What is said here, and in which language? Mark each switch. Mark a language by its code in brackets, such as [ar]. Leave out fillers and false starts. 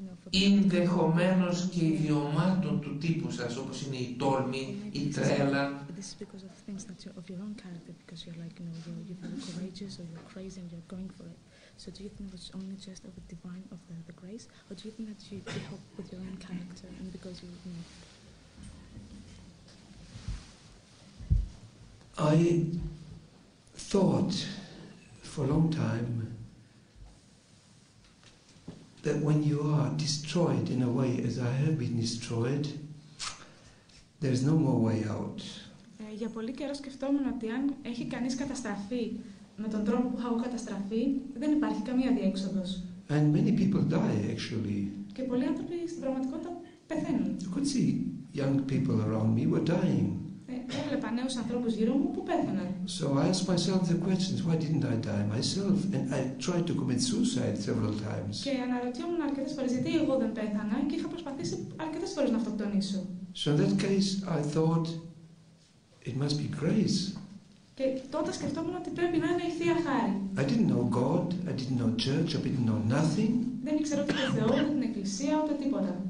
[el] Ενδεχομένως και ιδιωμάτων του τύπου σας, όπως είναι η τόλμη, η τρέλα, [en] this is because of things that you're of your own character, because you're like, you know, you're very courageous or you're crazy and you're going for it. So do you think it was only just of the divine, of the grace, or do you think that you help with your own character and because you, you know? I thought for a long time that when you are destroyed in a way as I have been destroyed, there's no more way out. [el] Για πολύ καιρό σκεφτόμουν ότι αν έχει κανείς καταστραφεί με τον τρόπο που έχω καταστραφεί, δεν υπάρχει καμία διέξοδος. [en] And many people die actually. [el] Και πολλοί άνθρωποι στην πραγματικότητα πεθαίνουν. [en] You could see young people around me were dying. [el] Έβλεπα νέους ανθρώπους γύρω μου που πέθαναν. [en] So I asked myself the questions, why didn't I die myself? And I tried to commit suicide several times. [el] Και αναρωτιόμουν αρκετές φορές γιατί εγώ δεν πέθανα και είχα προσπαθήσει αρκετές φορές να αυτοκτονήσω. [en] So in that case I thought it must be grace. [el] Και τότε σκεφτόμουν ότι πρέπει να είναι η Θεία Χάρη. [en] I didn't know God, I didn't know church, I didn't know nothing. [el] Δεν ήξερα ούτε τον Θεό, ούτε την Εκκλησία, ούτε τίποτα.